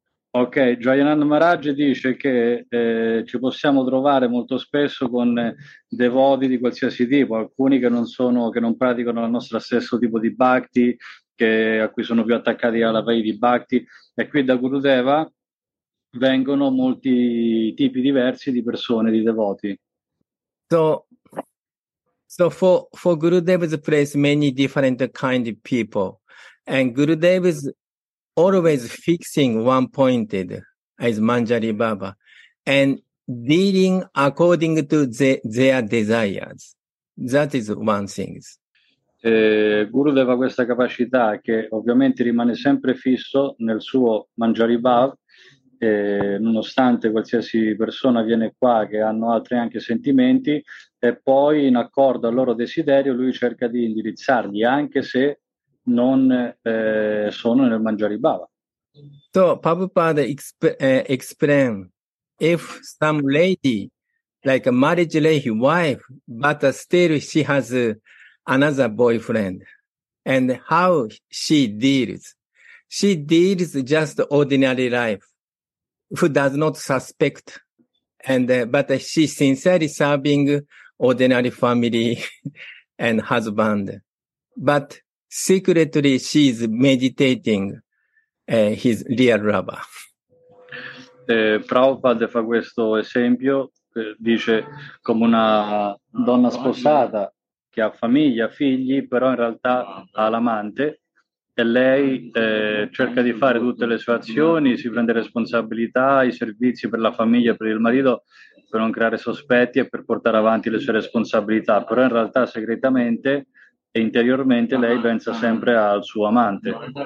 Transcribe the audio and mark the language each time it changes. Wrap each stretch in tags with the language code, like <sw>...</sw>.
<it>Ok, Jayananda Maharaj dice che ci possiamo trovare molto spesso con devoti di qualsiasi tipo, alcuni che non praticano il nostro stesso tipo di bhakti, a cui sono più attaccati alla Vaidhi Bhakti, e qui da Gurudeva vengono molti tipi diversi di persone, di devoti.</it> <en>So for Gurudev's place, many different kind of people, and Gurudev is always fixing one pointed as Manjari Baba and dealing according to their desires. That is one thing.</en> <it>Gurudev ha questa capacità che ovviamente rimane sempre fisso nel suo Manjari Bhav, nonostante qualsiasi persona viene qua che hanno altri anche sentimenti, e poi in accordo al loro desiderio lui cerca di indirizzarli anche se non sono nel Manjari Bhav.</it> <en>So Prabhupada explain if some lady like a marriage lady wife but still she has another boyfriend, and how she deals. She deals just ordinary life, who does not suspect, but she sincerely serving ordinary family and husband. But secretly, she is meditating his real lover.</en> <it>Prabhupada fa questo esempio, dice come una donna sposata, che ha famiglia, figli, però in realtà ha l'amante, e lei cerca di fare tutte le sue azioni, si prende responsabilità, i servizi per la famiglia, per il marito, per non creare sospetti e per portare avanti le sue responsabilità, però in realtà segretamente e interiormente lei pensa sempre al suo amante.</it>